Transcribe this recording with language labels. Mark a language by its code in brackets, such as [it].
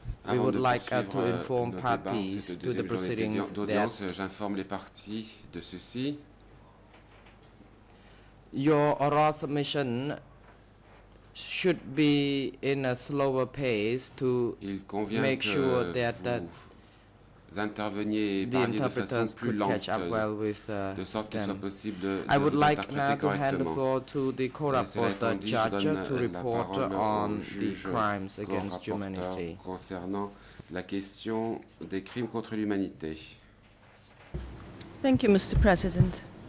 [en] We would like to inform parties to the proceedings that [fr] j'informe les parties de ceci. [en] Your oral submission should be in a slower pace to make sure that [fr] vous interveniez et parliez de façon plus lente, de sorte qu'il soit possible de vous interpréter correctement. [en] I would like now to hand the floor to the court reporter judge to report on the crimes against humanity. [fr] Concernant la question des crimes contre l'humanité. [en] Thank you, Mr. President.